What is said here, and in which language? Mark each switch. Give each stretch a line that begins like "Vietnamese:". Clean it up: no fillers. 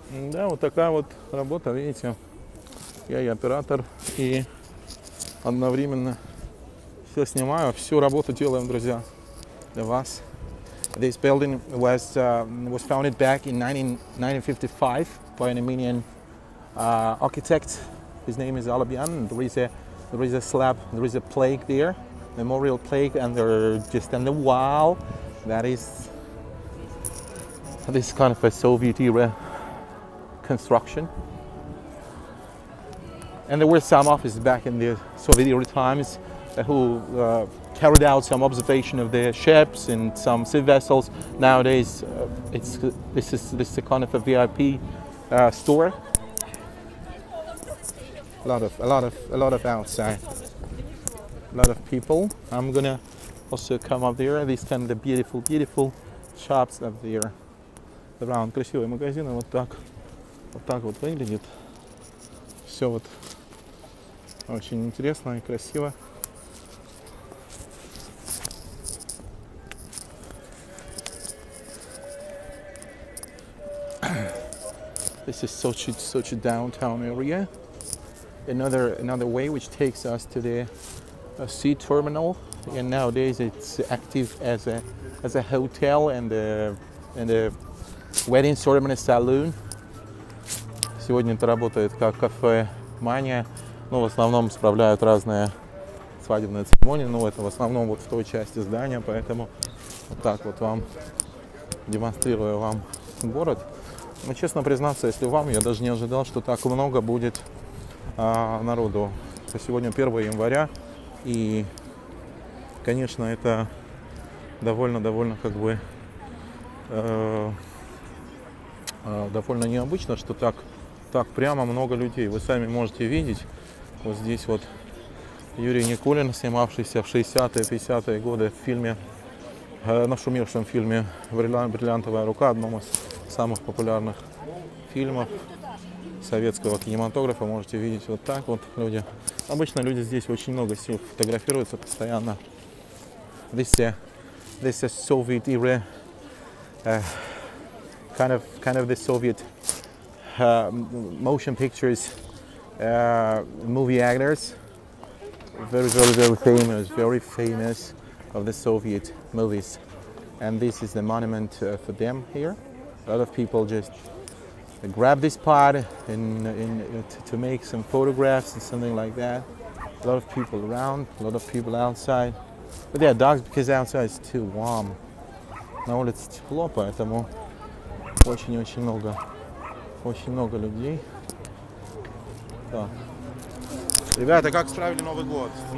Russian: Да, вот такая вот работа, видите. Я и оператор, и одновременно все снимаю, всю работу делаем, друзья, для вас.
English: This building was founded back in 1955 by an Armenian architect. His name is Alabian. There is a slab, there is a plaque there, memorial plaque, and there just on the wall, that is this kind of a Soviet era construction. And there were some officers back in the Soviet era times who carried out some observation of their ships and some sea vessels. Nowadays, this is a kind of a VIP store. A lot of outside. A lot of people. I'm gonna also come up there. These kind of the beautiful shops up there. Around
Russian: красивые магазины вот так вот выглядит. Все вот очень интересно и красиво.
English: This is Sochi downtown area. Another way which takes us to the sea terminal, and nowadays it's active as a hotel and a wedding ceremony saloon.
Russian: Сегодня это работает как кафе Мания. Ну, в основном справляют разные свадебные церемонии, но это в основном вот в той части здания, поэтому вот так вот вам демонстрирую вам город. Но честно признаться, если вам, я даже не ожидал, что так много будет народу. Сегодня 1 января, и, конечно, это довольно-довольно как бы довольно необычно, что так прямо много людей. Вы сами можете видеть, вот здесь вот Юрий Никулин, снимавшийся в 60-е, 50-е годы в фильме, нашумевшем фильме «Бриллиантовая рука», одном из самых популярных фильмов советского кинематографа. Можете видеть вот так вот люди. Обычно люди здесь очень много сил фотографируются постоянно.
English: This is Soviet era, kind of the Soviet motion pictures, movie actors, very, very, very famous of the Soviet movies. And this is the monument for them here. A lot of people just grab this part to make some photographs and something like that. A lot of people around, a lot of people outside. But yeah, dogs, because outside it's too warm.
Russian: На улице тепло, поэтому очень-очень много людей. Так. Ребята, как справили Новый год?